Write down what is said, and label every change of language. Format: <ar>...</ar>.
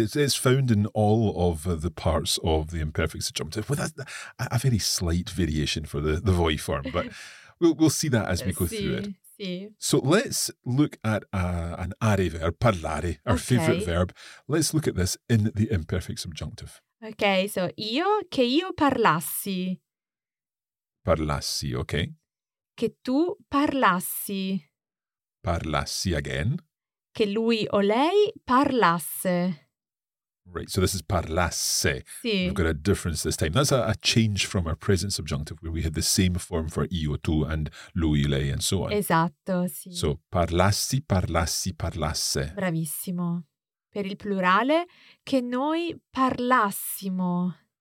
<en>It's found in all of the parts of the imperfect subjunctive, with a very slight variation for the voi form, but... We'll see that as we go through it.</en> <it>Sì.</it> <en>So let's look at an are verb, parlare, our favorite verb. Let's look at this in the imperfect subjunctive. Okay, so</en> <it>io, che io parlassi. Parlassi, okay. Che tu parlassi.</it> <en>Parlassi again.</en> <it>Che lui o lei parlasse.</it> <en>Right, so this is parlasse.</en> <it>Sì.</it> <en>We've got a difference this time. That's a change from our present subjunctive where we had the same form for io, tu, and lui, lei, and so on.</en> <it>Esatto, sì.</it> <en>So, parlassi, parlassi, parlasse.</en> <it>Bravissimo. Per il plurale, che noi parlassimo.</it>